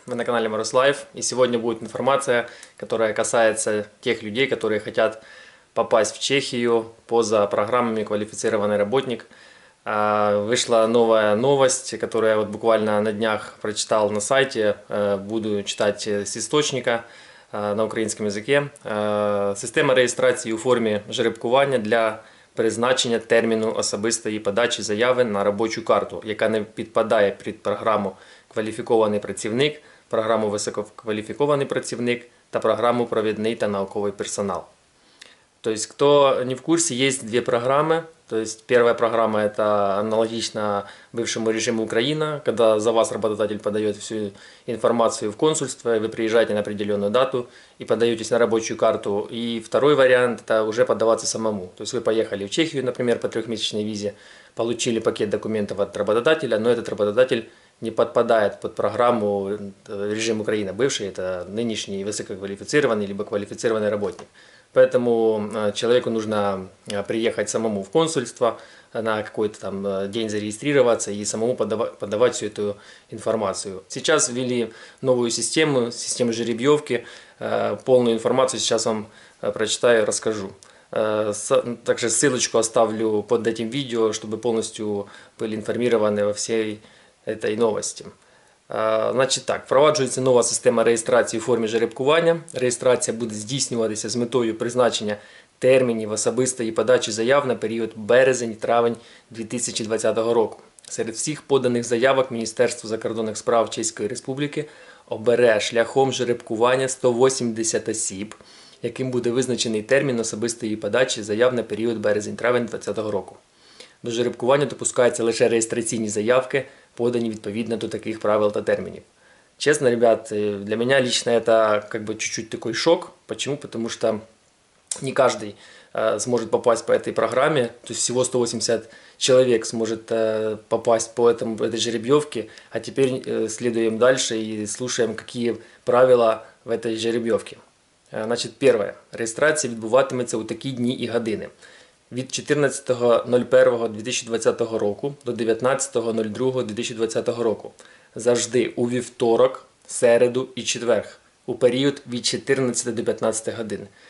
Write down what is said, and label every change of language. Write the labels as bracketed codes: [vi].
[ru] Вы на канале Maruslife, и сегодня будет информация, которая касается тех людей, которые хотят попасть в Чехию по за программами «Квалифицированный работник». Вышла новая новость, которую я вот буквально на днях прочитал на сайте. Буду читать с источника на украинском языке. [uk] Система регистрации у формі жеребкування для призначення терміну особистої подачі заяви на робочу карту, яка не підпадає під програму «Кваліфікований працівник», програму «Висококваліфікований працівник» та програму «Провідний та науковий персонал». Тобто, хто не в курсі, є дві програми. Тобто, перша програма – це аналогічна бувшому режиму Україна, коли за вас роботодавець подає всю інформацію в консульство, ви приїжджаєте на определену дату і подаєтесь на робочу карту. І другий варіант – це вже подаватися самому. Тобто, ви поїхали в Чехію, наприклад, по трьохмісячній візі, отримали пакет документів від роботодавця, але цей роботодавець не підпадає під програму режим Україна бувший, це нинішній висококваліфікований або кваліфікований працівник. [ru] Поэтому человеку нужно приехать самому в консульство на какой-то там день зарегистрироваться и самому подавать всю эту информацию. Сейчас ввели новую систему жеребьевки. Полную информацию сейчас вам прочитаю и расскажу. Также ссылочку оставлю под этим видео, чтобы полностью были информированы во всей этой новости. [uk] Значить так, впроваджується нова система реєстрації у формі жеребкування. Реєстрація буде здійснюватися з метою призначення термінів особистої подачі заяв на період березень-травень 2020 року. Серед всіх поданих заявок Міністерству закордонних справ Чеської Республіки обере шляхом жеребкування 180 осіб, яким буде визначений термін особистої подачі заяв на період березень-травень 2020 року. До жеребкування допускаються лише реєстраційні заявки, подані відповідно до таких правил та термінів. [ru] Чесно, ребят, [uk] для мене [ru] лично це как бы чуть-чуть такой шок. Почему? Потому что не каждый зможе попасть по этой программе. То есть всего 180 человек зможе попасть по этой жеребьевке. А теперь следуем дальше и слушаем, какие правила в этой жеребьевке. Значит, первое. [uk] Реєстрація відбуватиметься у такі дні і години. Від 14.01.2020 року до 19.02.2020 року. Завжди у вівторок, середу і четвер. У період від 14 до 15 годин.